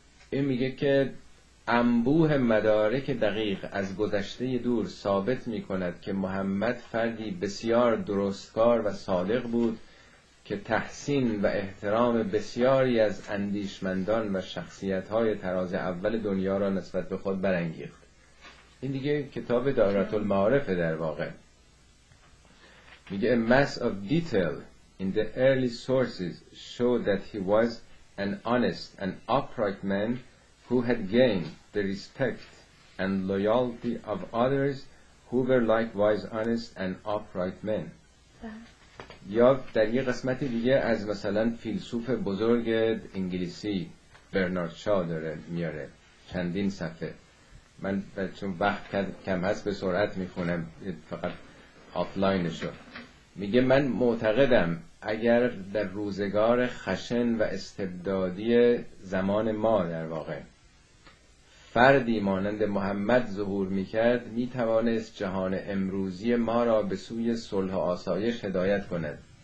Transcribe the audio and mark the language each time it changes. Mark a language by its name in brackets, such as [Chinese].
[Persian] این میگه که انبوه مدارک دقیق از گذشته دور ثابت میکند که محمد فردی بسیار درستکار و صادق بود که تحسین و احترام بسیاری از اندیشمندان و شخصیت‌های طراز اول دنیا را نسبت به خود برانگیخت. این دیگه کتاب دارت المعارف در واقع. میگه [English] a mass of detail in the early sources showed that he was an honest and upright man who had gained the respect and loyalty of others who were likewise honest and upright men. [Persian] یا در یه قسمت دیگه از مثلا فیلسوف بزرگ انگلیسی برنارد شا داره میاره چندین صفحه، من چون وقت کم هست به سرعت میخونم فقط آفلاینشو. میگه من معتقدم اگر در روزگار خشن و استبدادی زمان ما در واقع فردی مانند محمد ظهور میکرد، میتوانست جهان امروزی ما را به سوی صلح و آسایش هدایت کند.